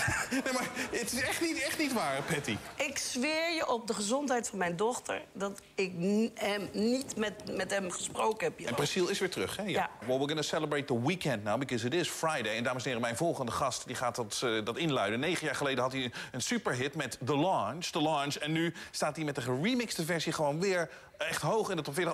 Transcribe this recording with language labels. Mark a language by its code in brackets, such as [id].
[nl] Nee, maar het is echt niet waar, Patty. Ik zweer je op de gezondheid van mijn dochter dat ik niet met hem gesproken heb. En Priscille is weer terug, hè? Ja. [en] Well, we're going to celebrate the weekend now, because it is Friday. [nl] En dames en heren, mijn volgende gast die gaat dat inluiden. 9 jaar geleden had hij een superhit met The Launch. En nu staat hij met de geremixte versie gewoon weer echt hoog in de top 40.